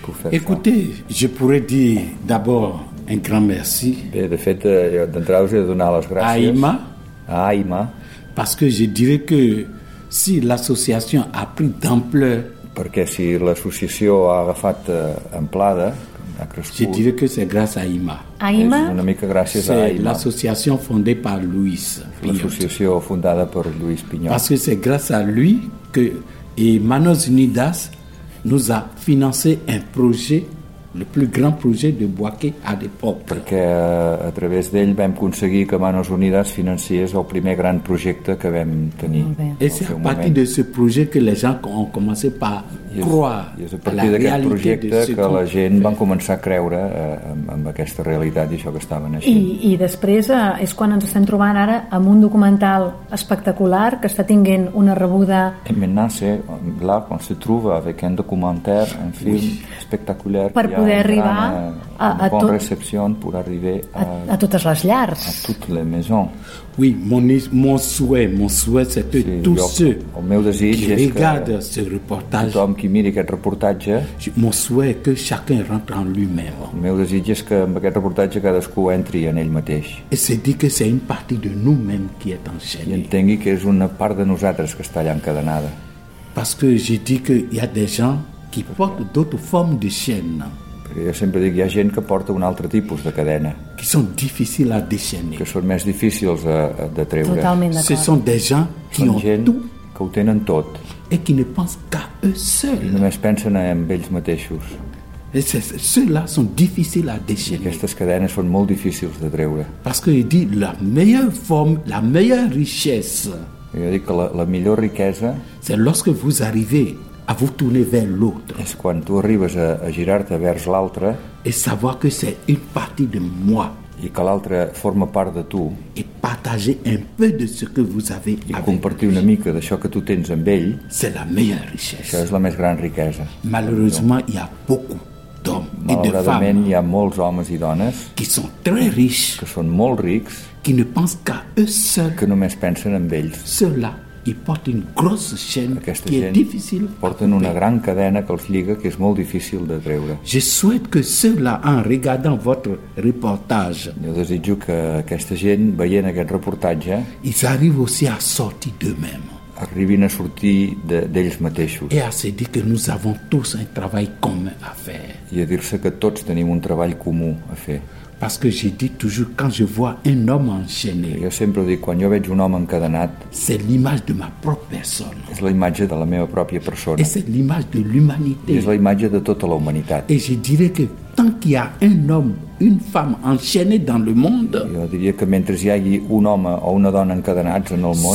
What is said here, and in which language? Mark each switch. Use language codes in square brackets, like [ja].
[fr] Écoutez, je pourrais dire d'abord un grand merci. [ca] Bé, de fet, d'entrada us he de donar les gràcies. [fr] A AIMA. Parce que je dirais que si l'association a pris d'ampleur, [ca] perquè si l'associació ha agafat amplada, ha crescut. [fr] Je dirais que c'est grâce à AIMA. AIMA? [ca] És una mica gràcies [fr] c'est [ca] a AIMA. [fr] L'associació fondée par Luis Pignot. [ca] L'associació fundada per Luis Pignot. [fr] Parce que c'est grâce à lui que et Manos Unidas nous a financé un projet, le plus grand projet de Boaké à l'époque. [ca] Perquè a través d'ell vam aconseguir que Manos Unidas financiés el primer gran projecte que vam tenir. [fr] Et c'est à partir de ce projet que les gens ont commencé par croire [ca] à partir d'aquest projecte que la gent va començar a creure en aquesta realitat i això que estava naixent. I després és quan ens estem trobant ara amb un documental espectacular que està tinguent una rebuda... [fr] Et maintenant c'est là qu'on se trouve avec un documentaire, un film espectacular... [ca] Per poder arribar a bon tot... recepció, per arribar a totes les llars. A totes les maisons. [fr] Oui, mon souhait, c'est que tous ceux qui regardent ce reportage, [ca] tothom qui miri aquest reportatge, [fr] mon souhait que chacun rentre en lui-même. [ca] El meu desig és que amb aquest reportatge cadascú entri en ell mateix. [fr] Et c'est dit que c'est une partie de nous-mêmes qui est enchaînée. [ca] I entengui que és una part de nosaltres que està allà encadenada. [fr] Parce que j'ai dit que y a des gens qui portent d'autres formes de chaînes. [ca] Perquè jo sempre dic que hi ha gent que porta un altre tipus de cadena. Qui són difícils a deixar-ne. Que són més difícils de treure. Totalment d'acord. [fr] Ce sont des gens qui ont tout. [ca] Que ho tenen tot. [fr] Et qui ne pensent qu'à eux seuls. [ca] Només pensen en ells mateixos. [fr] Ceux-là sont difficiles à déchaîner. [ca] Aquestes cadenes són molt difícils de treure. [fr] Parce que il dit la meilleure forme, la meilleure richesse. [ca] Jo dic que la millor riquesa... [fr] C'est lorsque vous arrivez à vous tourner vers l'autre. [ca] És quan tu arribes a girar-te vers l'altre. [fr] Et savoir que c'est une partie de moi. [ca] I que l'altre forma part de tu. [fr] Et partager un peu de ce que vous avez [ca] avec. I compartir una mica d'això que tu tens amb ell. [fr] C'est la meilleure richesse. [ca] Això és la més gran riquesa. [fr] Malheureusement, il y a beaucoup d'hommes et de femmes. [ca] Malauradament, hi ha molts homes i dones. [fr] Qui sont très riches. [ca] Que són molt rics. [fr] Qui ne pensent qu'à eux seuls. [ca] Que només pensen en ells. [fr] Ceux-là. Ils portent une grosse chaîne [ca] aquesta [fr] qui est difficile. [ca] Porten una gran cadena que els lliga, que és molt difícil de treure. [fr] Je souhaite que ceux-là, en regardant votre reportage, [ca] jo desitjo que aquesta gent, veient aquest reportatge, [fr] ils arrivent aussi à sortir d'eux-mêmes. [ca] Arribin a sortir d'ells mateixos. [fr] Et à se dire que nous avons tous un travail commun à faire. [ca] I a dir-se que tots tenim un treball comú a fer. [fr] Parce que j'ai dit toujours quand je vois un homme enchaîné. [ca] Jo sempre dic quan jo veig un home encadenat. [fr] C'est l'image de ma propre personne. [ca] És la imatge de la meva pròpia persona. [fr] Et c'est l'image de l'humanité. [ca] És la imatge de tota la humanitat. [fr] Et je dirais que tant qu'il y a un homme, une femme enchaînée dans le monde. [ca] Jo diria que mentre hi hagi un home o una dona encadenats en el món.